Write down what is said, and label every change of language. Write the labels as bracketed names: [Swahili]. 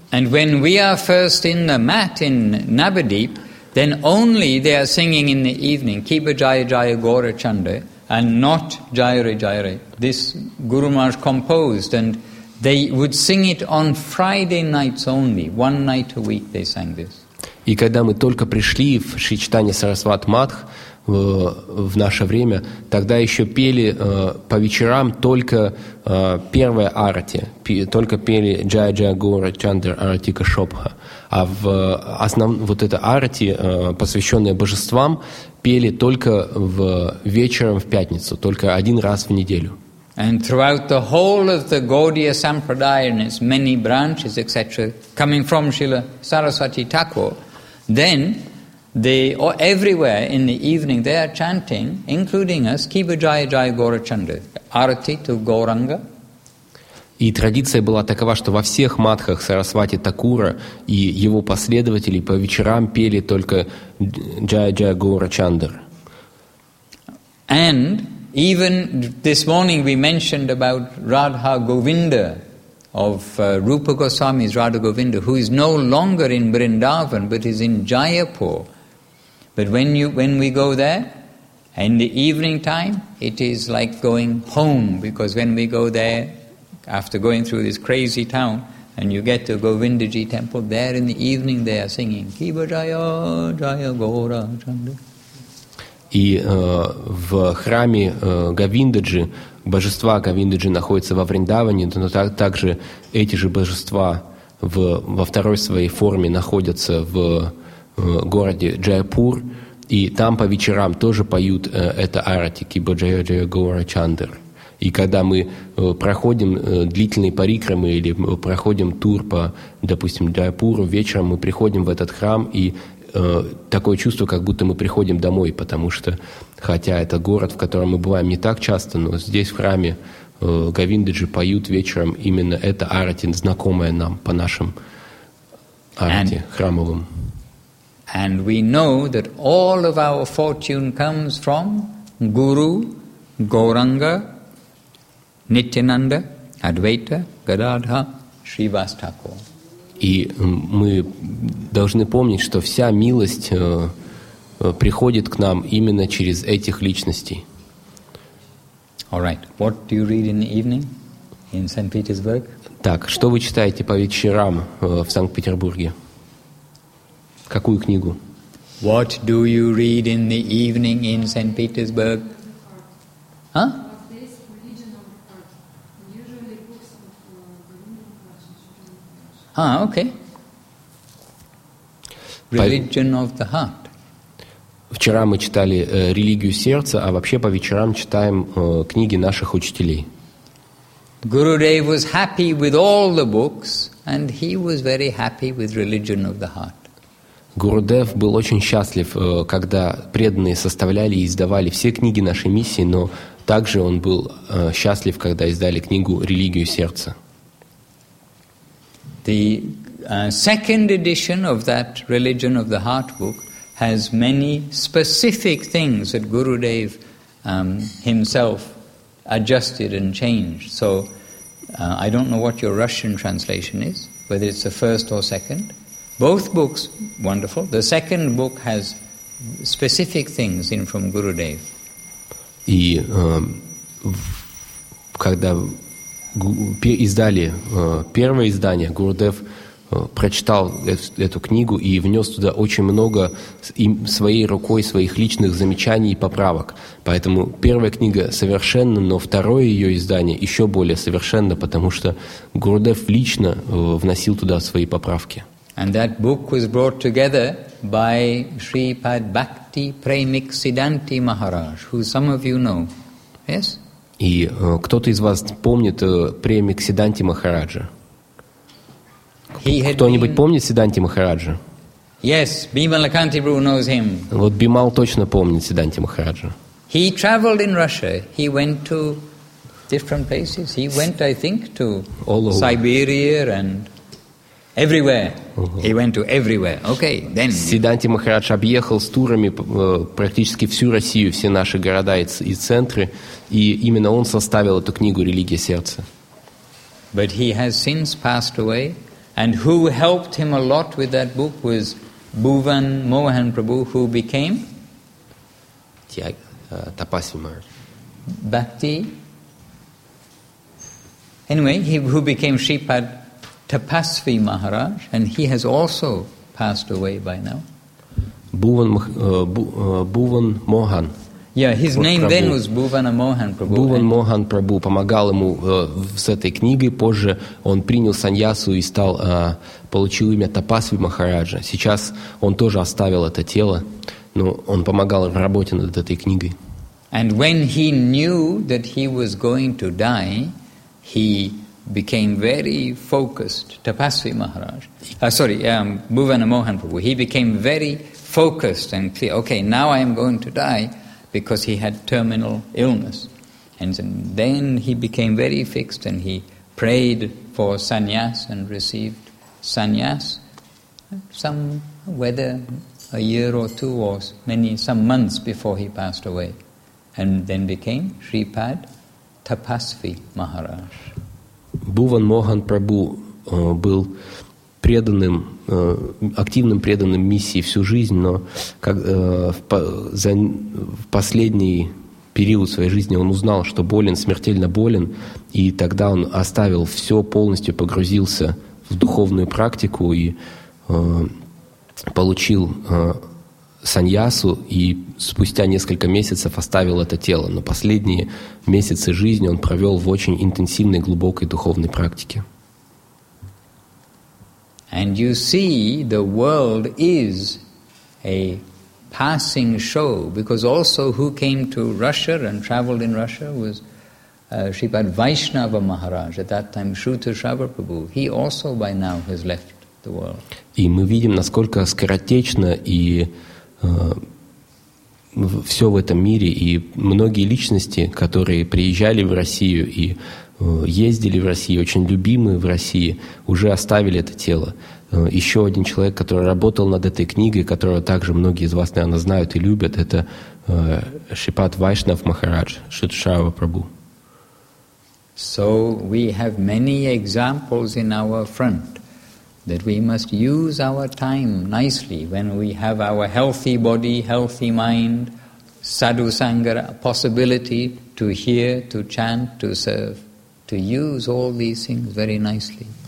[English] And when we are first in the mat in Nabadeep, then only they are singing in the evening, Kiba Jaya Jaya Gaura Chanda, and not Jayare Jayare. This Guru Maharaj composed, and they would sing it on Friday nights only. One night a week they sang this. [Russian] И когда мы только пришли в Шри Чайтанья Сарасват Матх в наше время, тогда еще пели по вечерам только первая арати, только пели Джая Джая Гора Чандер Арати Кашопха. А в вот эта арати, посвященная божествам, пели только вечером в пятницу, только один раз в неделю. [English] And throughout the whole of the Gaudiya Sampradaya and its many branches, etc., coming from Srila Saraswati Thakur, then they, or everywhere in the evening, they are chanting, including us, Kiba Jaya Jaya Gaura Chanda, Arati to Gauranga. [Russian] И традиция была такова, что во всех матхах Сарасвати Такура и его последователи по вечерам пели только Jaya Jaya Gaura Chanda. [English] And even this morning we mentioned about Radha Govinda of Rupa Goswami's Radha Govinda, who is no longer in Vrindavan but is in Jayapur. But when we go there in the evening time, it is like going home, because when we go there after going through this crazy town and you get to Govindaji temple, there in the evening they are singing Kiba Jaya Jaya Gaura Chanda. [Russian] И в храме Говиндаджи, божества Говиндаджи находятся во Вриндаване, но также эти же божества во второй своей форме находятся в городе Джайпур, и там по вечерам тоже поют это арати Киба Джая Джая Гаура Чандар. И когда мы проходим длительные парикрамы или проходим тур по, допустим, Джайпуру, вечером мы приходим в этот храм, и такое чувство, как будто мы приходим домой, потому что, хотя это город, в котором мы бываем не так часто, но здесь в храме Говиндаджи поют вечером именно это арати, знакомое нам по нашим арати храмовым. [English] And we know that all of our fortune comes from Guru, Gauranga, Nityananda, Advaita, Gadadha, Shrivas Thakur. [Russian] И мы должны помнить, что вся милость приходит к нам именно через этих личностей. [English] All right. What do you read in the evening in St. Petersburg? [Russian] Так, что вы читаете по вечерам в Санкт-Петербурге? Какую книгу? [English] What do you read in the evening in St. Petersburg? Huh? Ah, okay. Religion of the heart. [Russian] Вчера мы читали религию сердца, а вообще по вечерам читаем книги наших учителей. [English] Gurudev was happy with all the books, and he was very happy with religion of the heart. [Russian] Gurudev был очень счастлив, когда преданные составляли и издавали все книги нашей миссии, но также он был счастлив, когда издали книгу «Религию сердца». [English] The second edition of that Religion of the Heart book has many specific things that Gurudev himself adjusted and changed. So I don't know what your Russian translation is, whether it's the first or second. Both books, wonderful. The second book has specific things in from Gurudev. [Russian] И когда издали первое издание, Гурудев прочитал эту книгу и внес туда очень много своей рукой, своих личных замечаний и поправок. Поэтому первая книга совершенна, но второе ее издание еще более совершенно, потому что Гурудев лично вносил туда свои поправки. [English] And that book was brought together by Shripad Bhakti Premik Siddhanti Maharaj, who some of you know. Yes? [Russian] И кто-то из вас помнит Премик Сидданти Махараджа? Кто-нибудь помнит Сидданти Махараджа? [English] Yes, Bimala Kantibhu knows him. [Russian] Вот Бимал точно помнит Сидданти Махараджа. [English] He traveled in Russia. He went to different places. He went, I think, to Siberia and everywhere. He went to everywhere. Okay, then. [Russian] Сидданти Махарадж объехал с турами практически всю Россию, все наши города и центры, и именно он составил эту книгу «Религия сердца». [English] But he has since passed away, and who helped him a lot with that book was Bhuvan Mohan Prabhu, who became Tapasvi Maharaj. Bhakti. Anyway, who became Shripad Tapasvi Maharaj, and he has also passed away by now. Bhuvan Mohan. Yeah, his name Prabhu. Then was Bhuvana Mohan Prabhu. [Russian] Bhuvan Mohan Prabhu помогал ему с этой книгой. Позже он принял саньясу и стал получил имя Тапасви Махараджа. Сейчас он тоже оставил это тело, но он помогал в работе над этой книгой. [English] And when he knew that he was going to die, he became very focused, Tapasvi Maharaj. Bhuvana Mohan Prabhu. He became very focused and clear. Okay, now I am going to die because he had terminal illness. And then he became very fixed and he prayed for sannyas and received sannyas some months before he passed away. And then became Shripad Tapasvi Maharaj. [Russian] Bhuvan Mohan Prabhu был преданным, активным преданным миссии всю жизнь, но в последний период своей жизни он узнал, что болен, смертельно болен, и тогда он оставил все, полностью погрузился в духовную практику и получил саньясу, и спустя несколько месяцев оставил это тело. Но последние месяцы жизни он провел в очень интенсивной, глубокой духовной практике. [English] And you see, the world is a passing show, because also who came to Russia and traveled in Russia was Shripad Vaishnava Maharaj, at that time Shruta Shravar Prabhu. He also by now has left the world. [Russian] И мы видим, насколько скоротечно и все в этом мире, и многие личности, которые приезжали в Россию и ездили в Россию, очень любимые в России, уже оставили это тело. Еще один человек, который работал над этой книгой, которого также многие из вас, наверное, знают и любят, это Шипат Вайшнав Махарадж, Шутшава Прабу. [English] So we have many examples in our front that we must use our time nicely when we have our healthy body, healthy mind, sadhu sangha, possibility to hear, to chant, to serve, to use all these things very nicely.